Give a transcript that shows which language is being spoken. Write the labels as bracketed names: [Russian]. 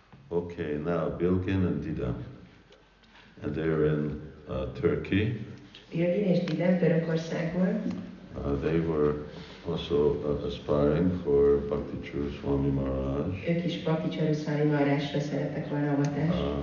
[English] Bilgin and Dida, and they're in Turkey. [Hungarian] Bilgin és Dida, Törökországban. [English] They were also aspiring for Bhakti Charu Swami Maharaj. [Hungarian] Ők is Bhakti Charu Swami Maharajra szerettek volna avatást.